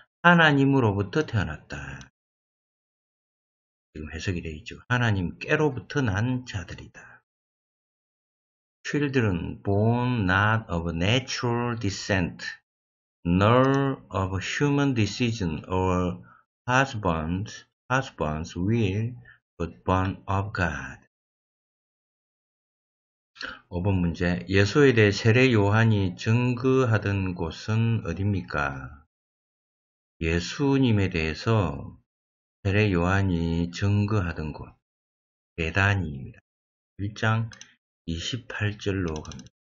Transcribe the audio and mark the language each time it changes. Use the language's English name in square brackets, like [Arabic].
[Korean] 하나님으로부터 태어났다. 지금 해석이 되어 있죠. 하나님께로부터 난 자들이다. [English] Children born not of natural descent, nor of human decision or husband's will, but born of God. [Korean] 5번 문제. 예수에 대해 세례 요한이 증거하던 곳은 어딥니까? 예수님에 대해서 세례 요한이 증거하던 곳, 베다니입니다. 1장 28절로 갑니다.